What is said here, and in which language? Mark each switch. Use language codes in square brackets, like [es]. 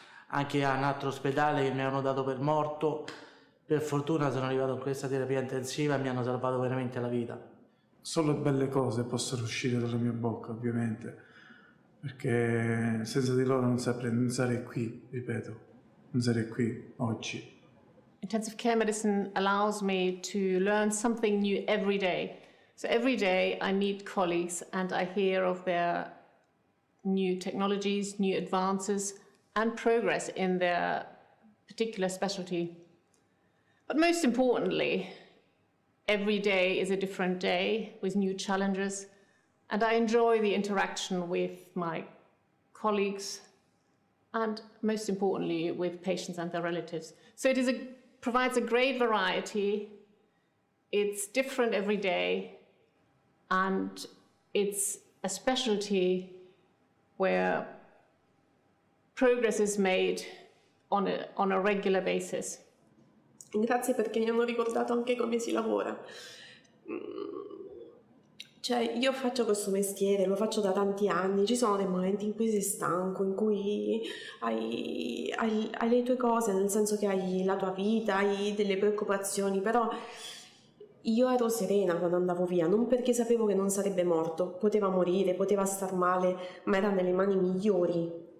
[it] Anche a un altro ospedale che mi hanno dato per morto, per fortuna sono arrivato in questa terapia intensiva e mi hanno salvato veramente la vita. Solo belle cose possono uscire dalla mia bocca, ovviamente, perché senza di loro non sarei qui, ripeto, non sarei qui oggi. [en] Intensive care medicine allows me to learn something new every day. So every day I meet colleagues and I hear of their new technologies, new advances, and progress in their particular specialty. But most importantly, every day is a different day with new challenges, and I enjoy the interaction with my colleagues, and most importantly, with patients and their relatives. So it provides a great variety. It's different every day, and it's a specialty where progress is made on a regular basis. [it] Grazie perché mi hanno ricordato anche come si lavora. Cioè, io faccio questo mestiere, lo faccio da tanti anni, ci sono dei momenti in cui sei stanco, in cui hai le tue cose, nel senso che hai la tua vita, hai delle preoccupazioni, però io ero serena quando andavo via, non perché sapevo che non sarebbe morto, poteva morire, poteva star male, ma era nelle mani migliori.